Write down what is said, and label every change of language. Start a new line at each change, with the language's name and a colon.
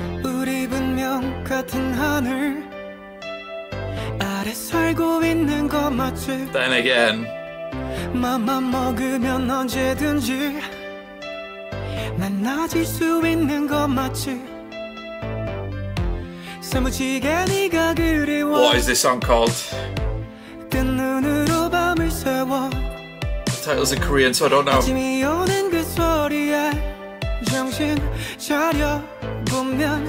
Korean: 우리 분명 같은 하늘 살고 있는 것 맞지
English: Then again
Korean: 맘만 먹으면 언제든지 난 낮을 수 있는 것 맞지 사무치게 네가 그리워
English: What is this song called?
Korean: 뜬 눈으로 밤을 세워
English: The title's in Korean so I don't know
Korean: 아침이 오는 그 소리에 정신 차려 보면